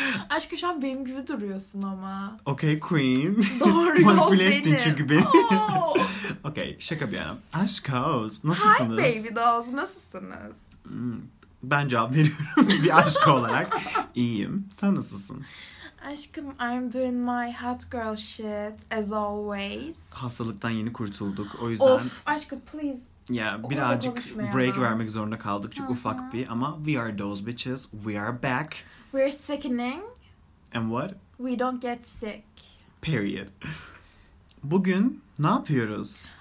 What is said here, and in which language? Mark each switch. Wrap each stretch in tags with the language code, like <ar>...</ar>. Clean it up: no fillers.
<tr>Aşkım şu an benim gibi duruyorsun ama.</tr> <en>Okay queen.</en> <tr>Doğru yol benim. Manipüle ettin çünkü beni. Okay şaka bir yanım. Aşk House nasılsınız?</tr> <en>Hi baby dolls</en> <tr>nasılsınız? Ben cevap veriyorum bir aşk olarak. İyiyim. Sen nasılsın?</tr> <en>Aşkım, I'm doing my hot girl shit as always.</en> <tr>Hastalıktan yeni kurtulduk. O yüzden... Of, aşkım please. Ya birazcık break vermek zorunda kaldık. Çok ufak bir ama</tr> <en>we are those bitches. We are back. We're sickening. And what? We don't get sick.</en> <tr>Period. Bugün ne yapıyoruz?</tr>